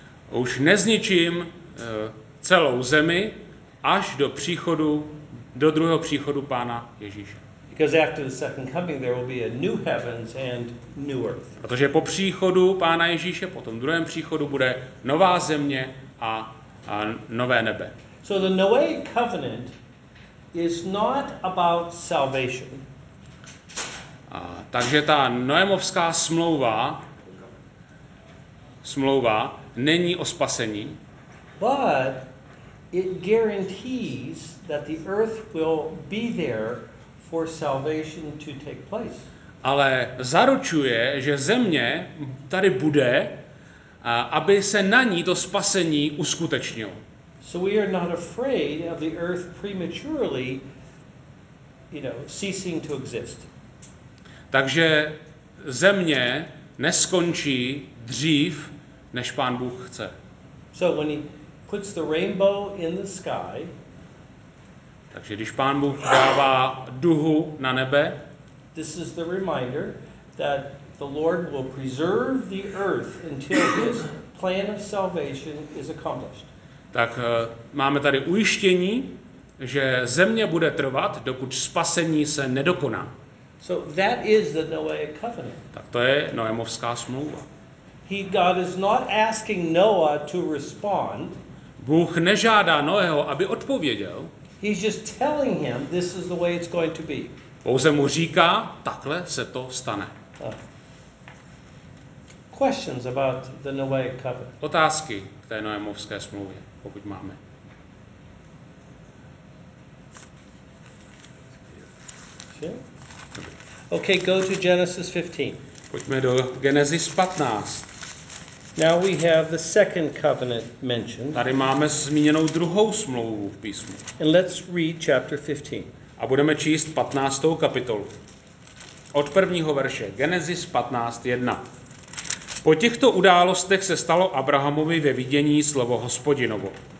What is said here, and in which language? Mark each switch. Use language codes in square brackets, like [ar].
[cs] Už nezničím celou zemi až do druhého příchodu Pána Ježíše. [en] Because after the second coming there will be a new heavens and new earth. [cs] Protože po příchodu Pána Ježíše, po tom druhém příchodu bude nová země a nové nebe. [en] So the Noahic covenant is not about salvation. [cs] Takže ta Noémovská smlouva není o spasení. [en] But it guarantees that the earth will be there for salvation to take place. [cs] Ale zaručuje, že země tady bude, aby se na ní to spasení uskutečnilo. [en] So we are not afraid of the earth prematurely, you know, ceasing to exist. [cs] Takže země neskončí dřív, než Pán Bůh chce. [en] So when he puts the rainbow in the sky, [cs] takže když Pán Bůh dává duhu na nebe, [en] this is the reminder that the Lord will preserve the earth until his plan of salvation is accomplished. [cs] Tak máme tady ujištění, že země bude trvat, dokud spasení se nedokoná. [en] So that is the Noahic covenant. [cs] Tak to je Noémovská smlouva. [en] God is not asking Noah to respond. [cs] Bůh nežádá Noého, aby odpověděl. [en] He's just telling him this is the way it's going to be. [cs] Pouze mu říká, takhle se to stane. [en] Questions about the Noahic covenant. [cs] Otázky k té Noémovské smlouvě, pokud máme. [en] Okay, go to Genesis 15. [cs] Pojďme do Genesis 15. [en] Now we have the second covenant mentioned. [cs] Tady máme zmíněnou druhou smlouvu v písmu. [en] And let's read chapter 15. [cs] A budeme číst 15. kapitolu. Od prvního verše, Genesis 15:1. Po těchto událostech se stalo Abrahamovi ve vidění slovo Hospodinovo.